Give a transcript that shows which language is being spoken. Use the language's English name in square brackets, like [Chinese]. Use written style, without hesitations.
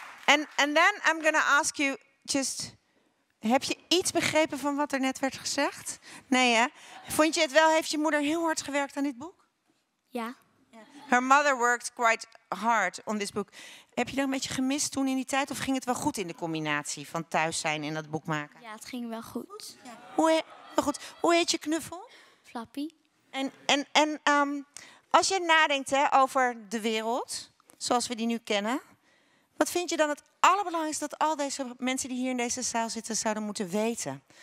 [English] And then I'm gonna ask you just, [Dutch] heb je iets begrepen van wat er net werd gezegd? Nee, hè? Vond je het wel? Heeft je moeder heel hard gewerkt aan dit boek? Ja. [English] Her mother worked quite hard on this book. [Dutch] Heb je dat een beetje gemist toen in die tijd? Of ging het wel goed in de combinatie van thuis zijn en dat boek maken? Ja, het ging wel goed. Hoe heet je knuffel? Flappy. En als jij nadenkt, hè, over de wereld, zoals we die nu kennen, wat vind je dan het allerbelangrijkste dat al deze mensen die hier in deze zaal zitten zouden moeten weten?